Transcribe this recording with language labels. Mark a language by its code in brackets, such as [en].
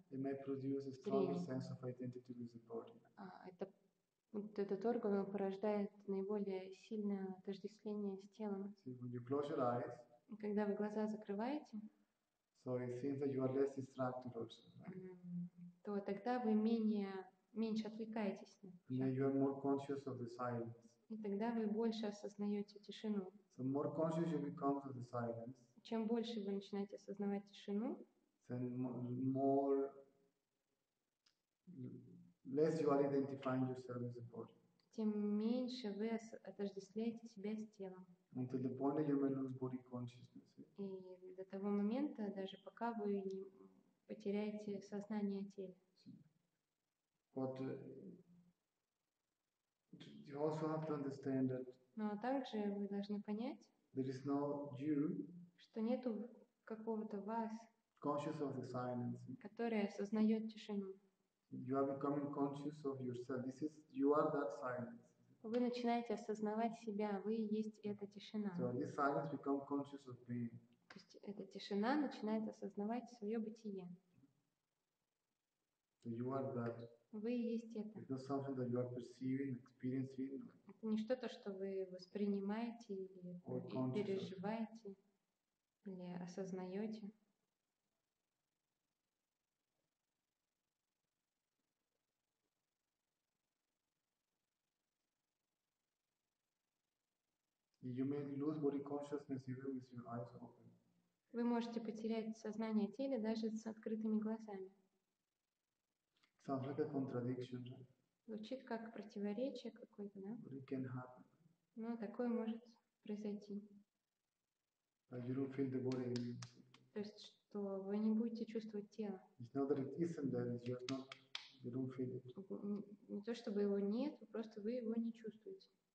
[en] It may produce a stronger sense of identity with the body. [ru] Этот орган порождает наиболее сильное отождествление с телом. [en] See, when you close your eyes, [ru] когда вы глаза закрываете, [en] so it seems that you are less distracted also, right? [ru] То тогда вы меньше отвлекаетесь. [en] And then you are more conscious of the silence. [ru] И тогда вы больше осознаете тишину. [en] So more conscious you become of the silence. [ru] Чем больше вы начинаете осознавать тишину, [en] then more less you are identifying yourself with the body. [ru] Тем меньше вы отождествляете себя с телом. [en] Until the point that you may lose body consciousness. [ru] И до того момента, даже пока вы не потеряете сознание тела. [en] But you also have to understand that. [ru] Но также вы должны понять. [en] There is no you. [ru] Что нету какого-то вас. [en] Conscious of the silence. [ru] Которое осознает тишину. [en] You are becoming conscious of yourself. This is you are that silence. [ru] Вы начинаете осознавать себя. Вы есть эта тишина. [en] So this silence becomes conscious of being. [ru] То есть эта тишина начинает осознавать свое бытие. [en] So you are that. [ru] Вы есть это. [en] It's not something that you are perceiving, experiencing. [ru] Это не что-то, что вы воспринимаете или переживаете или осознаете. [en] You may lose body consciousness even with your eyes open. [ru] Вы можете потерять сознание тела даже с открытыми глазами. [en] Sounds like a contradiction. [ru] Звучит как противоречие какое-то, да? [en] But it can happen. [ru] Но такое может произойти. [en] But you don't feel the body. [ru] То есть, что вы не будете чувствовать тело. [en] It's not that it isn't there, it's just not, you don't feel it. [ru] Не то, чтобы его нет, просто вы его не чувствуете.